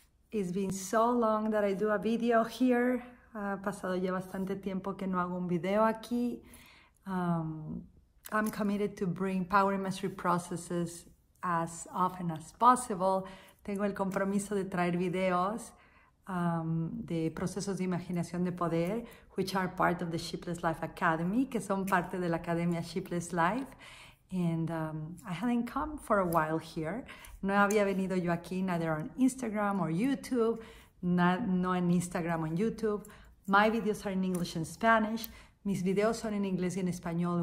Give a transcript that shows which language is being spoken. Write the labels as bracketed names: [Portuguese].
[English] It's been so long that I do a video here. [Spanish] Ha pasado ya bastante tiempo que no hago un video aquí. [English] I'm committed to bring power imagery processes as often as possible. [Spanish] Tengo el compromiso de traer videos de procesos de imaginación de poder, [English] which are part of the Sheepless Life Academy, [Spanish] que son parte de la Academia Sheepless Life. [English] And I hadn't come for a while here. [Spanish] No había venido yo aquí, [English] neither on Instagram or YouTube, [Spanish] no en Instagram on YouTube. [English] My videos are in English and Spanish. [Spanish] Mis videos son en inglés y en español.